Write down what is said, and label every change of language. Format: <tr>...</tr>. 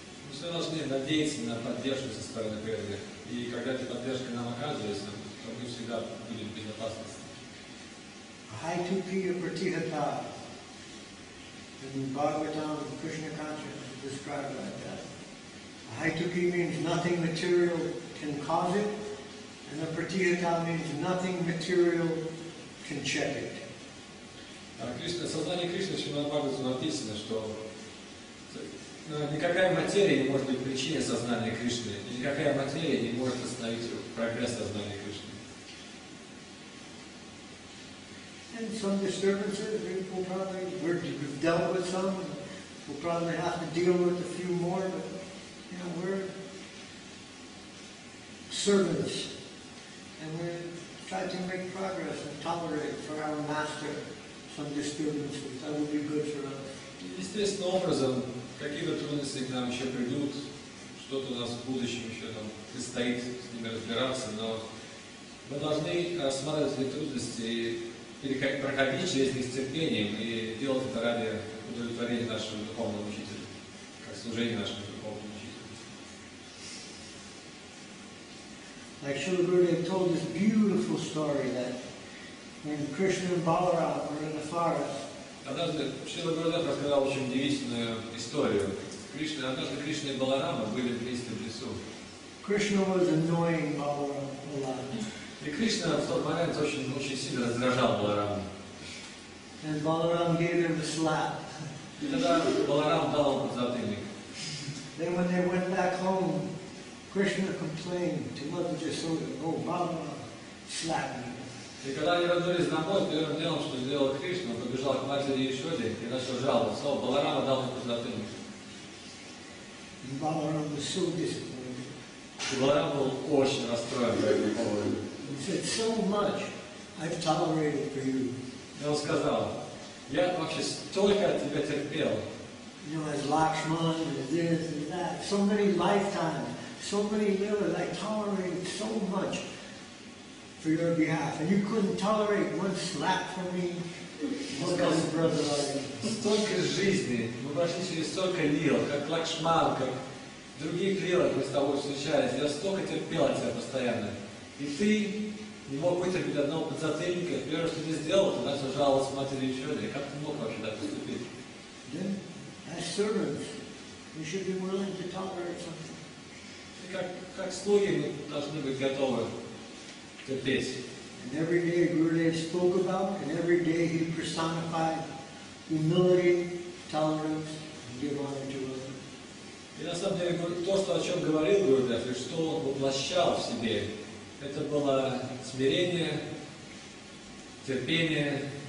<ru>Мы все должны надеяться на поддержку со стороны преданных. И когда эта поддержка нам оказывается, то мы всегда будем в безопасности.</ru> <sa>Hai tu piya pratihata.</sa> <en>In Bhagavatam, Krishna consciousness is described like that. Hai tu piya means nothing material can cause it, and the pratihata means nothing material can check it.</en> <ru>Кришна, сознание Кришны Шримад Бхагаватам написано, что никакая материя не может быть причиной сознания Кришны, и никакая материя не может остановить прогресс сознания Кришны.</ru> <en>And some disturbances we will probably we've dealt with some, we'll probably have to deal with a few more, but you know, we're servants and we try to make progress and tolerate for our master. Some disturbances that would be good for us.</en> <ru>Естественным образом, какие-то трудности к нам еще придут, что-то у нас в будущем еще там предстоит с ними разбираться, но мы должны рассматривать эти трудности и проходить через них с терпением и делать это ради удовлетворения нашего духовного учителя, как служения нашему духовному учителю.</ru> <en>Like Srila Gurudev told this beautiful story that when Krishna and Balaram were in the forest.</en> <ru>Однажды Шрила Гурудев рассказал очень удивительную историю. Кришна, однажды Кришна и Баларама были вместе в лесу.</ru> <en>Krishna was annoying Balaram a lot.</en> <ru>И Кришна в тот момент очень сильно раздражал Баларама.</ru> <en>And Balaram gave him a slap.</en> <ru>И тогда Баларам дал ему затыльник.</ru> <en>Then when they went back home, Krishna complained to Mother Jasoda, "Oh, Balaram slapped me."</en> <ru>И когда они вернулись на пост, первым делом, что сделал Кришна, он побежал к матери Яшоде и начал жаловаться. Баларама дал ему затыльник. И Баларама был</ru> <en>so disappointed.</en> <ru>И Баларама был очень расстроен по этому поводу.</ru> <en>He said, so much I've tolerated for you. И он сказал, я вообще столько от тебя терпел. You know, as Lakshman, as this, as that, so many lifetimes, so many years, I tolerated so much. for your behalf, and you couldn't tolerate one slap from me.</en> <ru>Столько жизни, мы прошли через столько лил, как лакшман, как других лил, мы с тобой встречались. Я столько терпел от тебя постоянно. И ты не мог вытерпеть одного подзатыльника. Первое, что ты сделал, ты начал жаловаться матери еще. И как ты мог вообще так поступить?</ru> <en>Then, as servants, we should be willing to tolerate something.</en> <ru>Как слуги мы должны быть готовы терпеть.</ru> <en>And every day Gurudev spoke about, and every day he personified humility, tolerance, and give honor to others.</en> <ru>И на самом деле то, что о чем говорил Гурудев, и что он воплощал в себе, это было смирение, терпение.</ru>